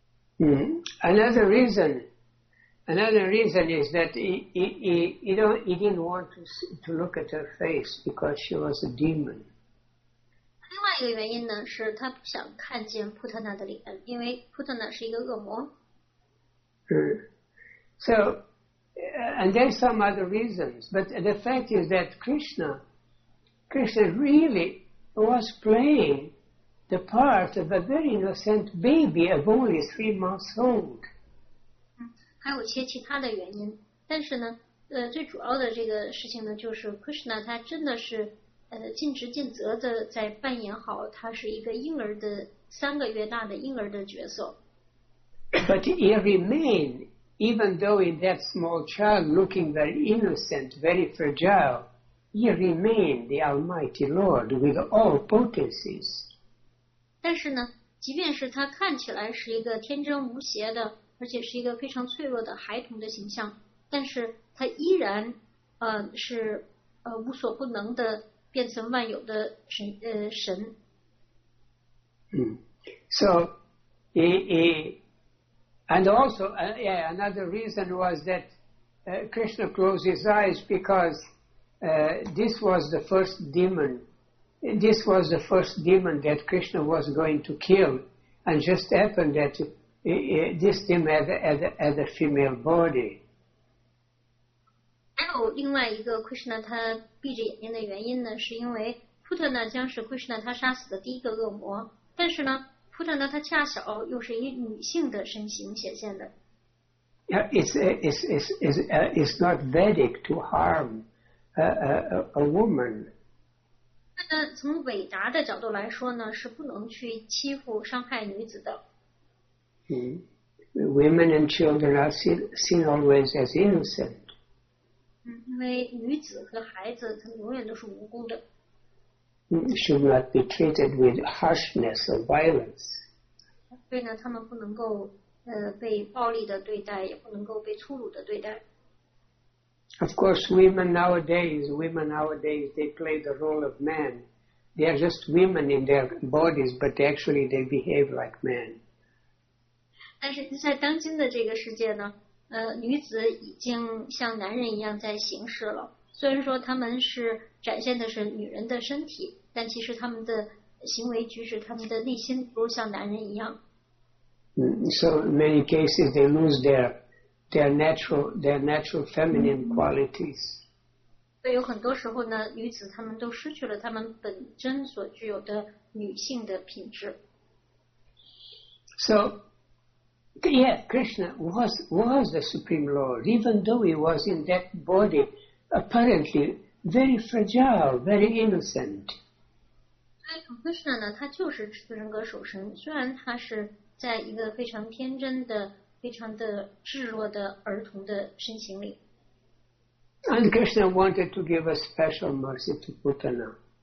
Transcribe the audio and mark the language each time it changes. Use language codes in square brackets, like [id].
[en] reason is that he didn't want to look at her face because she was a demon. [zh] 另外一个原因呢，是他不想看见普特纳的脸，因为普特纳是一个恶魔。So. [en] And there's some other reasons, but the fact is that Krishna really was playing the part of a very innocent baby of only 3 months old. [zh] 还有些其他的原因，但是呢，最主要的这个事情呢，就是 Krishna 他真的是尽职尽责的在扮演好他是一个婴儿的三个月大的婴儿的角色。 [en] But he remained even though in that small child looking very innocent, very fragile, he remained the Almighty Lord with all potencies. [zh] 但是呢，即便是他看起来是一个天真无邪的，而且是一个非常脆弱的孩童的形象，但是他依然是无所不能的，变成万有的神。 [en] So he, and also, another reason was that Krishna closed his eyes because this was the first demon. This was the first demon that Krishna was going to kill, and just happened that this demon had a female body. [zh] 还有另外一个 Krishna 他闭着眼睛的原因呢，是因为 Putana 将是 Krishna 他杀死的第一个恶魔，但是呢。 Putana 她恰巧又是以女性的身形显现的。 [en] Yeah, it's not Vedic to harm a woman. [zh] 那从韦达的角度来说呢，是不能去欺负伤害女子的。 [en] Women and children are seen always as innocent. [zh] 因为女子和孩子他们永远都是无辜的。 [en] Should not be treated with harshness or violence. [zh] 所以呢，他们不能够被暴力的对待，也不能够被粗鲁的对待。 [en] Of course, women nowadays, they play the role of men. They are just women in their bodies, but actually they behave like men. [zh] 但是在当今的这个世界呢，女子已经像男人一样在行事了。虽然说他们是展现的是女人的身体，但其实他们的行为举止，他们的内心都像男人一样。 [en] So many cases they lose their natural feminine qualities. [zh] 对，有很多时候呢，女子他们都失去了他们本真所具有的女性的品质。 [en] So, yeah, Krishna was the Supreme Lord, even though he was in that body. Apparently, very fragile, very innocent. [zh] Krishna 呢，他就是人格守神。虽然他是在一个非常天真的、非常的稚弱的儿童的身形里。 [en] And Krishna wanted to give a special mercy to Putana.